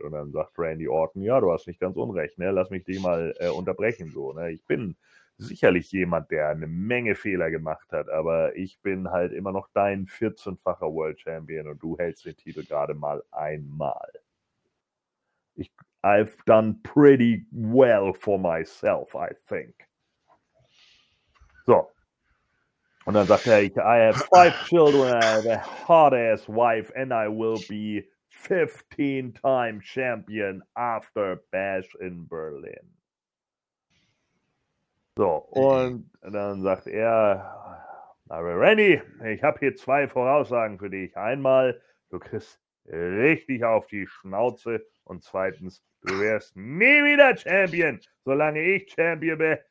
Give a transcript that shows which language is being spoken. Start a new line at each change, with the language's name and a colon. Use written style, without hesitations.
German: Und dann sagt Randy Orton, ja, du hast nicht ganz Unrecht, ne? Lass mich dich mal unterbrechen. So, ne? Ich bin sicherlich jemand, der eine Menge Fehler gemacht hat, aber ich bin halt immer noch dein 14-facher World Champion und du hältst den Titel gerade mal einmal.
English: I've done pretty well for myself, I think. So. Und dann sagt er, I have 5 children, I have a hot-ass wife and I will be 15-time Champion after Bash in Berlin.
German: So, und dann sagt er, aber Randy, ich habe hier 2 Voraussagen für dich. Einmal, du kriegst richtig auf die Schnauze und zweitens, du wirst nie wieder Champion, solange ich Champion bin.